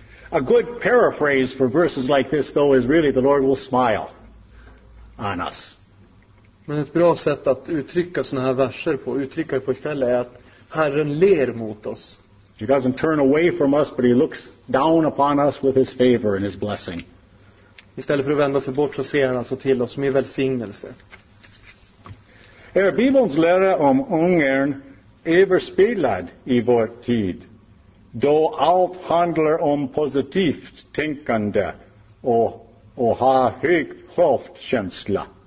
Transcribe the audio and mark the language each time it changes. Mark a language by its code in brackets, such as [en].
[en] A good paraphrase for verses like this though is really the Lord will smile on us. [sv] Men ett bra sätt att uttrycka såna här verser på, uttrycka på istället, är att Herren ler mot oss. [en] He doesn't turn away from us, but he looks down upon us with his favor and his blessing. [sv] Istället för att vända sig bort så ser han alltså till oss med välsignelse. Är Bibelns lära om ungern överspelad i vår tid, då allt handlar om positivt tänkande och ha hög självkänsla?